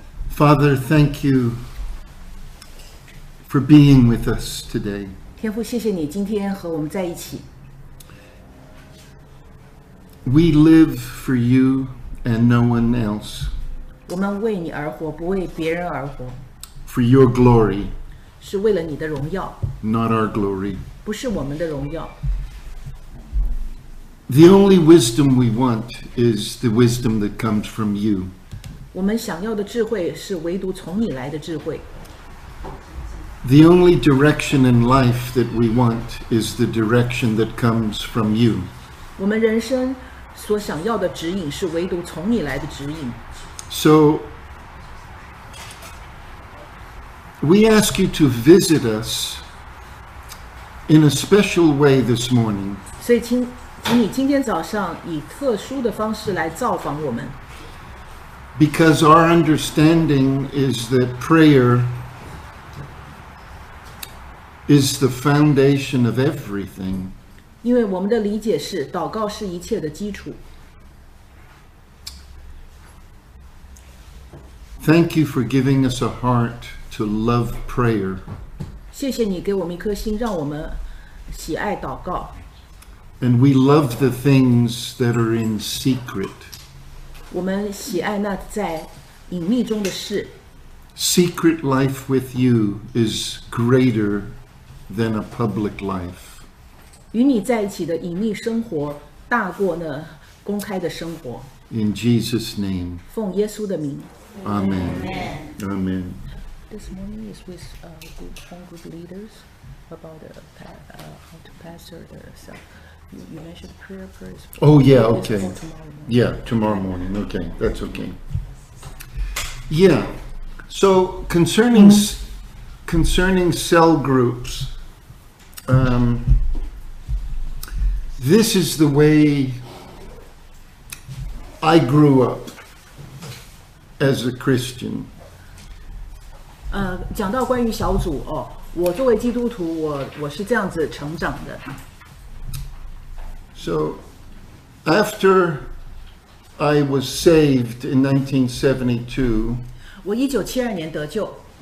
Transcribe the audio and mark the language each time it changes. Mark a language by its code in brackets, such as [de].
[en] Father, thank you for being with us today. [zh] 天父，谢谢你今天和我们在一起。 [en] We live for you and no one else. [zh] 我们为你而活，不为别人而活。 [en] For your glory. [zh] 是为了你的荣耀。 [en] Not our glory. [zh] 不是我们的荣耀。 [en] The only wisdom we want is the wisdom that comes from you. [zh] 我们想要的智慧是唯独从你来的智慧。 [en] The only direction in life that we want is the direction that comes from you. [zh] 我们人生所想要的指引是唯独从你来的指引。 [en] So, we ask you to visit us in a special way this morning. [zh] 所以请你今天早上以特殊的方式来造访我们。 [en] Because our understanding is that prayer is the foundation of everything. [zh] 因为我们的理解是祷告是一切的基础。 [en] Thank you for giving us a heart to love prayer. [zh] 谢谢你给我们一颗心，让我们喜爱祷告。 [en] And we love the things that are in secret. [zh] 我们喜爱那在隐秘中的事。 [en] Secret life with you is greater than a public life. [zh] 与你在一起的隐秘生活大过那公开的生活。 [en] In Jesus' name. [zh] 奉耶稣的名。 [en] Amen. Amen. This morning is with a home group leaders about how to pastor the self. You mentioned prayer first. Oh, yeah, okay. Tomorrow morning. Okay, that's okay. Yeah. So, concerning cell groups, this is the way I grew up as a Christian. [zh] 讲到关于小组哦，我作为基督徒，我是这样子成长的。 [en] So, after I was saved in 1972, [zh] 我1972年得救。